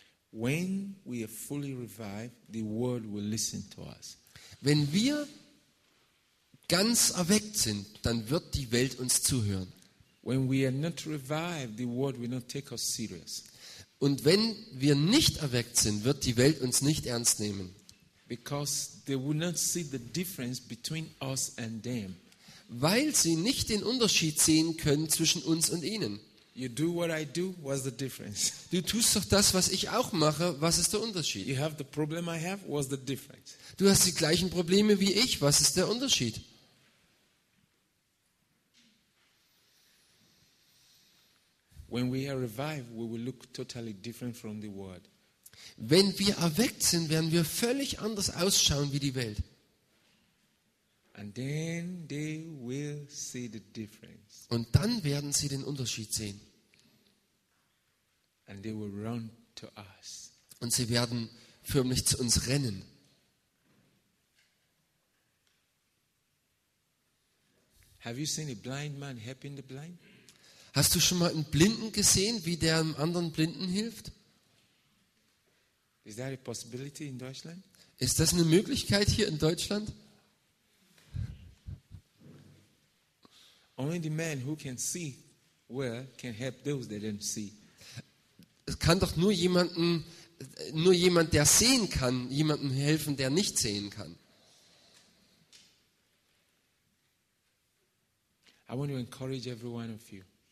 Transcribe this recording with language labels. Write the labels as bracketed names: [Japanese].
[English] When we are fully revived, the world will listen to us. [German] Wenn wir ganz erweckt sind, dann wird die Welt uns zuhören. [English] When we are not revived, the world will not take us serious. [German] Und wenn wir nicht erweckt sind, wird die Welt uns nicht ernst nehmen. [English] Because they will not see the difference between us and them. [German] Weil sie nicht den Unterschied sehen können zwischen uns und ihnen. [English] You do what I do, what's the difference? [German] Du tust doch das, was ich auch mache, was ist der Unterschied? [English] You have the problem I have, what's the difference? [German] Du hast die gleichen Probleme wie ich, was ist der Unterschied? [English] When we are revived, we will look totally different from the world. [German] Wenn wir erweckt sind, werden wir völlig anders ausschauen wie die Welt. [English] And then they will see the difference. [German] Und dann werden sie den Unterschied sehen. [English] And they will run to us. [German] Und sie werden förmlich zu uns rennen. [English] Have you seen a blind man helping the blind? [German] Hast du schon mal einen Blinden gesehen, wie der einem anderen Blinden hilft? [English] Is that a possibility in Deutschland? [German] Ist das eine Möglichkeit hier in Deutschland? [English] Only the man who can see well can help those that don't see. [German] Es kann doch nur jemand, der sehen kann, jemandem helfen, der nicht sehen kann. [English] I want to encourage every one of you.